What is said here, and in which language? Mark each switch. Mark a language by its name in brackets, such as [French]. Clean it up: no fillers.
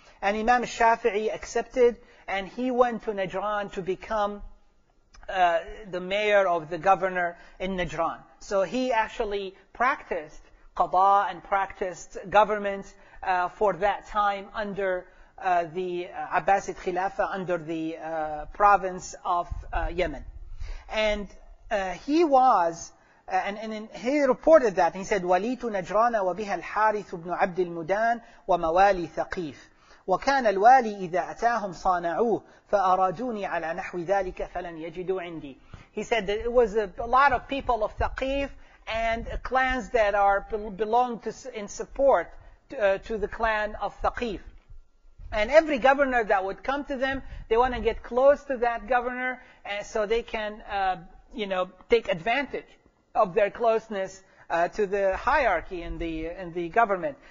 [English] And Imam Shafi'i accepted, and he went to Najran to become the mayor of the governor in Najran. So he actually practiced qada and practiced government for that time under the Abbasid Khilafah, under the province of Yemen. And he was, and he reported that, he said, [Arabic] وَلِيتُ نَجْرَانَ وَبِهَا الْحَارِثُ بْنُ عَبْدِ الْمُدَانِ وَمَوَالِي ثَقِيفٍ وَكَانَ الْوَالِي إِذَا أَتَاهُمْ صَانَعُوهُ فَأَرَادُونِي عَلَى نَحْوِ ذَلِكَ فَلَنْ يَجِدُوا عِنْدِي. [English] He said that it was a lot of people of Thaqif and clans that are belong to in support to the clan of Thaqif. And every governor that would come to them, they want to get close to that governor and so they can, you know, take advantage of their closeness to the hierarchy in the government.